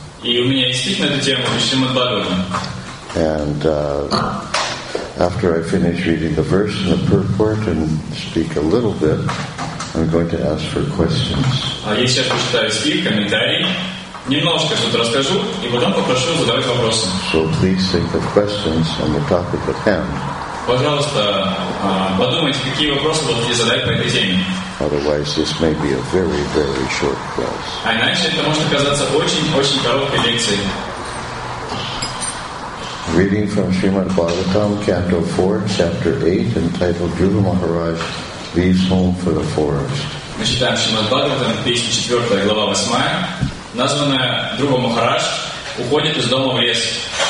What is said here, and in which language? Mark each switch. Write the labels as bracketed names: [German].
[Russian] И у меня есть на эту тему Шримад Бхагаватам. [English] And after I finish reading the verse and the purport and speak a little bit, I'm going to ask for questions. [Russian] А я сейчас прочитаю стих, комментарий, немножко что-то расскажу и потом попрошу задавать вопросы. [English] So please think of questions on the topic at hand. [Russian] Пожалуйста, подумайте, какие вопросы будете задать по этой теме. [English] Otherwise, this may be a very, very short class. [Russian] А иначе это может оказаться очень-очень короткой лекцией. [English] Reading from Srimad Bhagavatam, Canto 4, Chapter 8, entitled Dhruva Maharaj Leaves Home for the Forest. [Russian] Мы читаем Шримад Бхагаватам, песня 4, глава 8, названная Дхрува Махарадж уходит из дома в лес.